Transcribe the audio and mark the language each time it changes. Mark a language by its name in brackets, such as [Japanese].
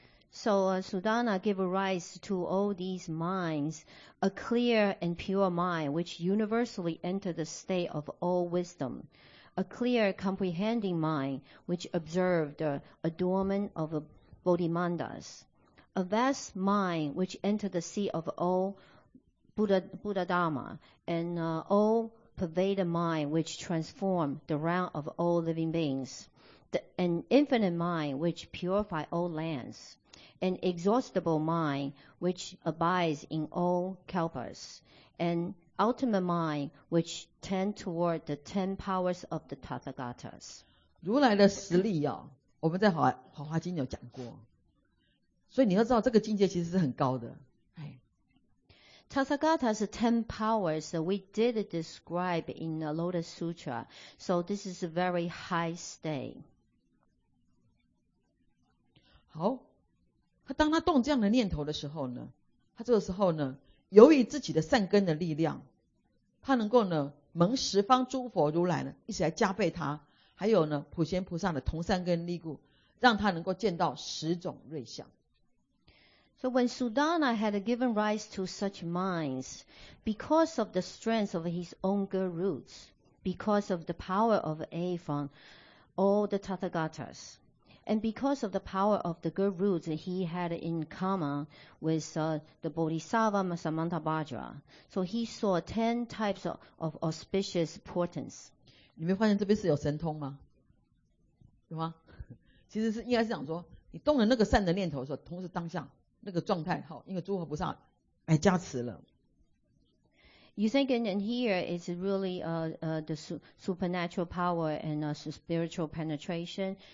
[English] So Sudana gave rise to all these minds, a clear and pure mind which universally entered the state of all wisdom. A clear comprehending mind which observed the adornment of Bodhimandas, a vast mind which entered the sea of all Buddha Dharma, and all pervaded mind which transformed the realm of all living beings, an infinite mind which purified all lands, an exhaustible mind which abides in all kalpas, andultimate mind which tend toward the ten powers of the Tathagatas. [Chinese] 如来的实力啊，我们在华华经有讲过，所以你要知道这个境界其实是很高的。哎、 [English] Tathagatas ten powers we did describe in the Lotus Sutra, so this is a very high state. [Chinese] 好，他当他动这样的念头的时候呢，他这个时候呢。由于自己的善根的力量，他能够呢蒙十方诸佛如来呢一起来加倍他，还有呢普贤菩萨的同善根力故，让他能够见到十种瑞相。 [English] So when Sudana had given rise to such minds, because of the strength of his own good roots, because of the power of A from all the Tathagatas. And because of the power of the good roots he had in common with the Bodhisattva Samantabhadra, so he saw ten types of auspicious portents. [Chinese] 你没发现这边是有神通吗？有吗？其实是应该是讲说，你动了那个善的念头的时候，同时当下那个状态，好，因为诸佛菩萨来加持了。 [English] You think in here it's really the supernatural power and spiritual penetration?